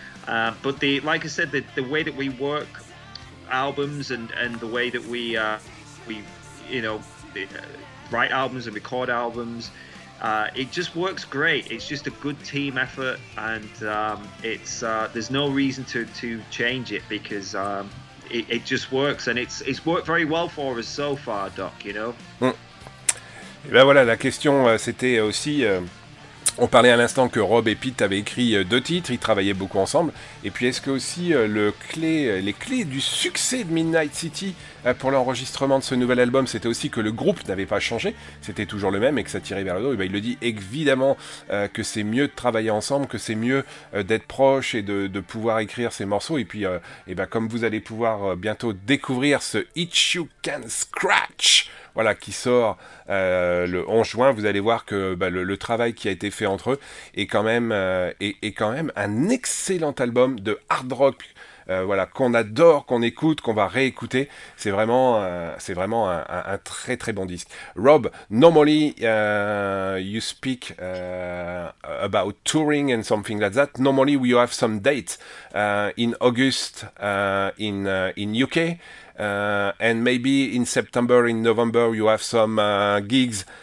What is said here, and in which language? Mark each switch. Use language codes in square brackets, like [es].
[en] But the, like I said, the way that we work albums and the way that we, you know, write albums and record albums, it just works great. It's just a good team effort, and it's there's no reason to change it, because it just works, and it's worked very well for us so far, Doc, you know. [fr] Et ben voilà, la question, c'était aussi, on parlait à l'instant que Rob et Pete avaient écrit deux titres, ils travaillaient beaucoup ensemble, et puis est-ce que aussi les clés du succès de Midnight City pour l'enregistrement de ce nouvel album, c'était aussi que le groupe n'avait pas changé, c'était toujours le même et que ça tirait vers le haut. Et ben il le dit évidemment que c'est mieux de travailler ensemble, que c'est mieux d'être proche et de pouvoir écrire ces morceaux, et puis et ben comme vous allez pouvoir bientôt découvrir ce « Itch You Can Scratch », voilà, qui sort le 11 juin, vous allez voir que bah, le travail qui a été fait entre eux est quand même, est quand même un excellent album de hard rock, voilà, qu'on adore, qu'on écoute, qu'on va réécouter. C'est vraiment, un très très bon disque. [en] Rob, normally you speak about touring and something like that. Normally we have some dates in August in UK. And maybe in September, in November, you have some gigs.